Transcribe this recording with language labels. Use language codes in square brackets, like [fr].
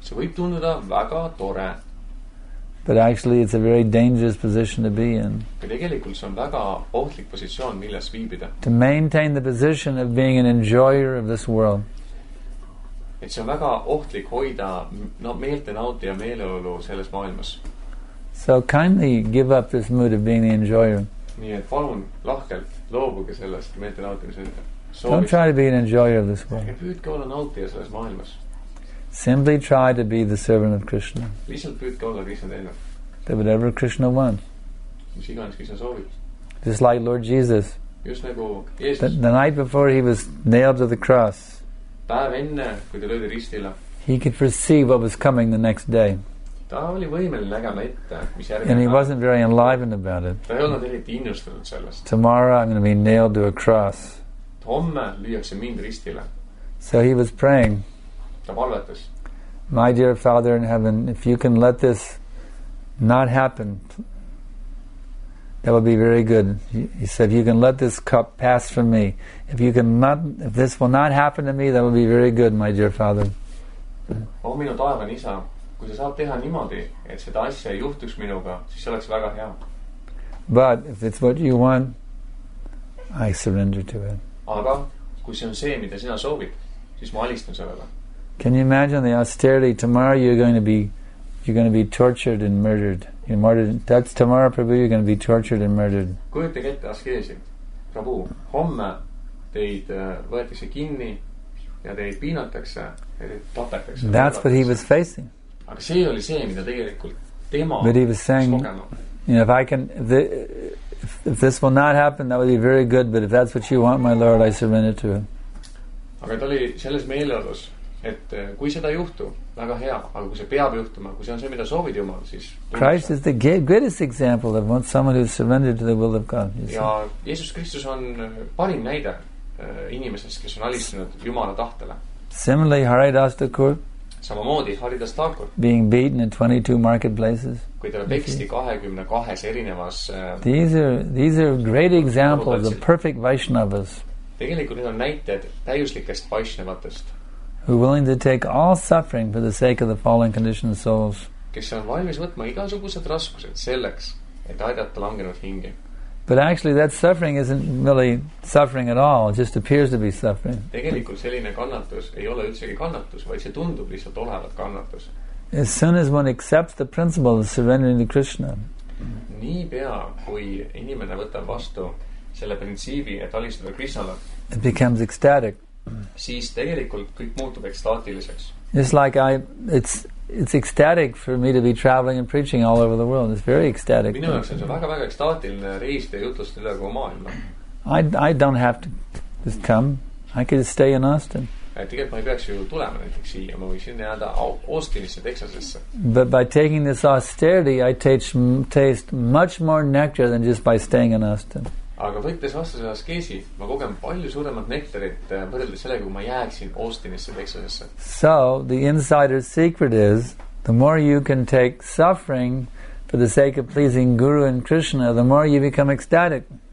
[et] See võib tunduda väga tore. [en] But actually it's a very dangerous position to be in. [et] Tegelikult see on väga ohtlik positsioon, milles viibida. [en] To maintain the position of being an enjoyer of this world. [et] Et see on väga ohtlik hoida meelte nauti ja meeleolu selles maailmas. [en] So kindly give up this mood of being the enjoyer. [et] Nii et palun lahkelt loobuge sellest meelte nautimise. [en] Don't try to be an enjoyer of this world. [et] Püüdke olla nautija selles maailmas. [en] Simply try to be the servant of Krishna. [et] Lihtsalt püüdke olla Krishna teine. [en] Do whatever Krishna wants. [et] Mis iganes Krishna soovib. [en] Just like Lord Jesus. [et] Just nagu Jeesus. [en] The night before he was nailed to the cross. [et] Päev enne, kui ta löödi ristile. [en] He could foresee what was coming the next day. [et] Ta oli võimeline nägema ette, mis järgmine. [en] And he wasn't very enlivened about it. [et] Ta ei olnud eriti innustanud sellest. [en] Tomorrow I'm going to be nailed to a cross. [et] Homme lüüakse mind ristile. [en] So he was praying. [et] Ta palvetas. [en] My dear Father in heaven, if you can let this not happen, that would be very good. He said, if you can let this cup pass from me, if this will not happen to me, that would be very good, my dear Father. [et] Oh, minu taevan isa, kui sa saab teha niimoodi, et seda asja ei juhtuks minuga, siis oleks väga hea. [en] But if it's what you want, I surrender to it. [et] Aga kui see on see, mida sina soovid, siis ma alistan sellele. [en] Can you imagine the austerity? Tomorrow you're going to be tortured and murdered. You're martyred. That's tomorrow, Prabhu, you're going to be tortured and murdered. [et] Kujutage ette askeesi. Prabhu, homme teid võetakse kinni ja teid piinatakse ja teid tapetakse. [en] That's what he was facing. [et] Aga see oli see, mida tegelikult tema [en] But he was saying, you know, if this will not happen, that would be very good, but if that's what you want, my Lord, I surrender to it. [et] Aga ta oli selles meeleolus, et kui seda juhtu, väga hea, aga kui see peab juhtuma, kui see on see, mida soovid Jumal, siis... [en] Christ is the greatest example of someone who surrendered to the will of God. [et] Ja Jeesus Kristus on parim näide inimesest, kes on alistanud Jumala tahtele. [en] Similarly, Haridas Thakur. [et] Samamoodi, Haridas Thakur. [en] Being beaten in 22 marketplaces. [et] Kui ta peksti 22 erinevas... [en] These are great examples of perfect Vaishnavas. [et] Tegelikult need on näited täiuslikest Vaishnavatest. [en] Who are willing to take all suffering for the sake of the fallen conditioned souls. [et] Kes on valmis võtma igasugused raskused selleks, et aidata langenud hinge. [en] But actually that suffering isn't really suffering at all, it just appears to be suffering. [et] Tegelikult selline kannatus ei ole üldsegi kannatus, vaid see tundub lihtsalt olevat kannatus. [en] As soon as one accepts the principle of surrendering to Krishna. [et] Nii pea, kui inimene võtab vastu selle printsiibi, et alistada Krishnale. [en] It becomes ecstatic. [et] Siis tegelikult kõik muutub ekstaatiliseks. [en] It's like it's ecstatic for me to be traveling and preaching all over the world. It's very ecstatic. [et] Minu jaoks on see väga-väga ekstaatiline reisida ja jutlustada üle kogu maailma. [en] I don't have to just come. I could just stay in Austin. [et] Tegelikult ma ei peaks ju tulema näiteks siia. Ma võiksin jääda Austinisse, Texasesse. [en] But by taking this austerity, I taste much more nectar than just by staying in Austin. [et] Aga võttes vastuse askeesi, ma kogen palju suuremat nektarit võrreldes sellega, kui ma jääksin Austinisse, Texasesse. [en] So, the insider's secret is, the more you can take suffering for the sake of pleasing Guru and Krishna, the more you become ecstatic.